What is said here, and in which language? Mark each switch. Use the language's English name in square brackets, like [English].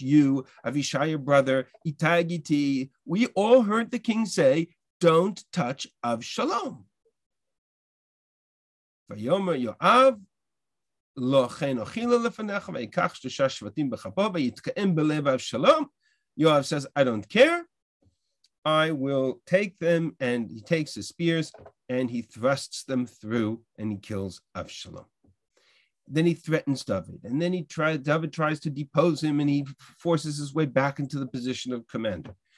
[English] You, Avishai, your brother, Itai, Giti, we all heard the king say, don't touch Avshalom. [Hebrew] ויאמר יואב לא כן אוכילה לפניך ויקח שלושה שבטים בכפו ויתקיים בלב אבשלום. [English] יואב says, I don't care. I will take them, and he takes his spears and he thrusts them through and he kills Avshalom. Then he threatens David, and then David tries to depose him, and he forces his way back into the position of commander.